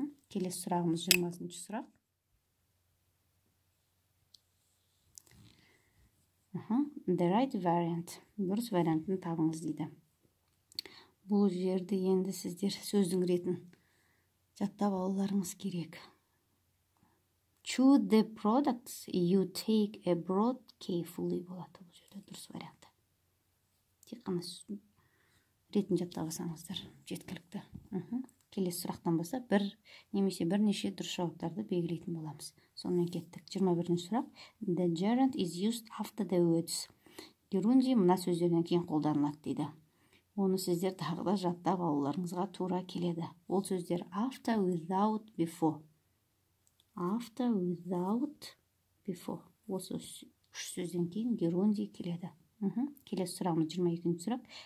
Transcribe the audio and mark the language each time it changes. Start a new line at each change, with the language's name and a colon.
Kazakh: Келесі сұрағымыз 20-ші сұрақ.
English: The right variant.
Kazakh: Дұрыс вариантын табыңыз дейді. Бұл жерді енді сіздер сөздің ретін жаттап алуларыңыз керек.
English: Choose the products you take abroad carefully
Kazakh: болады бұл жерде дұрыс варианты. Тек қана ретін жаттап алсаңыздар жеткілікті. Келесі сұрақтан болса бір немесе бірнеше дұрыс жауаптарды белгілейтін боламыз. Сонымен кеттік. 21-ші сұрақ.
English: The gerund is used after the words.
Kazakh: Gerundi мына сөздерден кейін қолданылады дейді. Оны сіздер тағы да жаттап алуларыңызға тура келеді. Ол сөздер after, without, before.
English: After, without, before.
Kazakh: Осы үш сөзден кейін gerundi келеді. Келесі сұрағымыз 22-ші сұрақ.